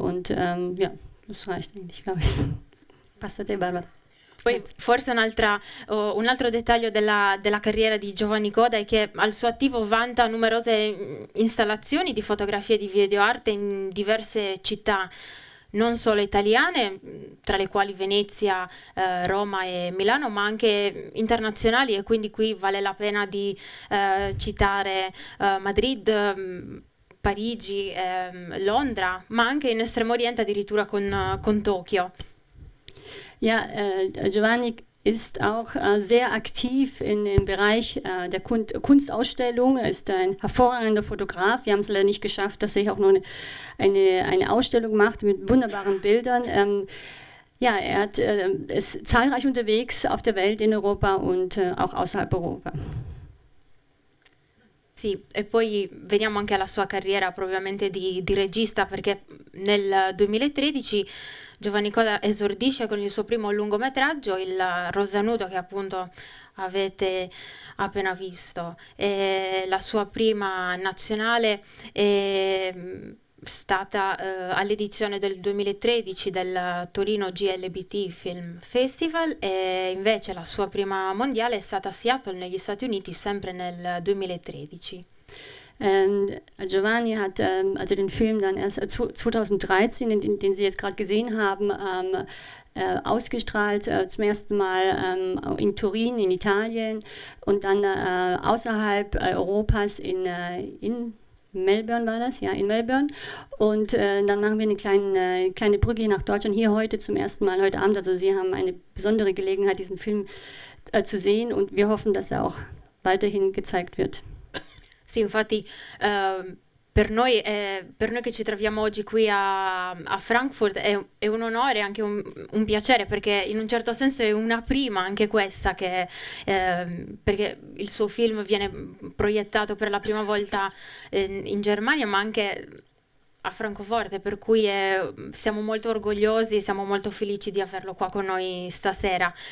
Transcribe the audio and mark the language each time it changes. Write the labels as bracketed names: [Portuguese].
[German] Und ja, das reicht eigentlich, glaube ich. [Italian] Passa te, Barbara. Poi forse un altro dettaglio della carriera di Giovanni Korda è che al suo attivo vanta numerose installazioni di fotografie e di videoarte in diverse città, non solo italiane, tra le quali Venezia, Roma e Milano, ma anche internazionali e quindi qui vale la pena di citare Madrid, Parigi, Londra, ma anche in Estremo Oriente addirittura con Tokyo. [German] Ja, Giovanni ist auch sehr aktiv in dem Bereich der Kunstausstellung. Er ist ein hervorragender Fotograf. Wir haben es leider nicht geschafft, dass er auch nur eine Ausstellung macht mit wunderbaren Bildern. Ja, er ist zahlreich unterwegs auf der Welt, in Europa und auch außerhalb Europa. [Italian] Sì, e poi veniamo anche alla sua carriera propriamente di regista, perché nel 2013 Giovanni Korda esordisce con il suo primo lungometraggio, il Rosa Nudo, che appunto avete appena visto. E la sua prima nazionale è stata all'edizione del 2013 del Torino GLBT Film Festival e invece la sua prima mondiale è stata a Seattle negli Stati Uniti sempre nel 2013. [German] Giovanni hat also den Film dann erst 2013, den Sie jetzt gerade gesehen haben, ausgestrahlt, zum ersten Mal in Turin, in Italien und dann außerhalb Europas in Melbourne war das, ja, in Melbourne. Und dann machen wir eine kleine Brücke nach Deutschland, hier heute zum ersten Mal, heute Abend. Also Sie haben eine besondere Gelegenheit, diesen Film zu sehen und wir hoffen, dass er auch weiterhin gezeigt wird. [Italian] Sì, infatti per noi che ci troviamo oggi qui a Frankfurt è un onore e anche un piacere, perché in un certo senso è una prima anche questa, che perché il suo film viene proiettato per la prima volta in Germania, ma anche a Francoforte, per cui siamo molto orgogliosi, siamo molto felici di averlo qua con noi stasera.